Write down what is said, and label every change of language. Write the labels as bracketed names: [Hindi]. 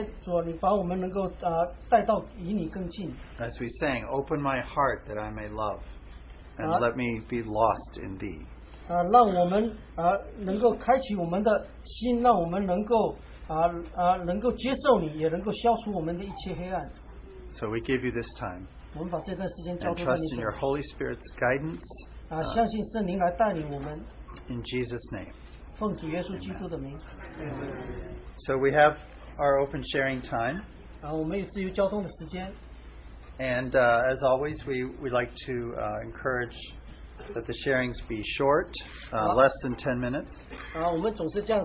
[Chinese] 我们把这段时间交托在你的手里，但愿你能够借着这些，主，你把我们能够带到与你更近。 [English] As we sang, open my heart that I may love, and let me be lost in thee. [Chinese] 让我们能够开启我们的心，让我们能够 能够接受你，也能够消除我们的一切黑暗。 [English] So we give you this time. [Chinese] 我们把这段时间交给你。 [English] And trust in your Holy Spirit's guidance. [Chinese] 相信圣灵来带领我们。 [English] In Jesus' name. [Chinese] 奉主耶稣基督的名。 [English] So we have our open sharing time. [Chinese] 我们有自由交通的时间。 [English] And as always, we like to encourage that the sharings be short, less than 10 minutes.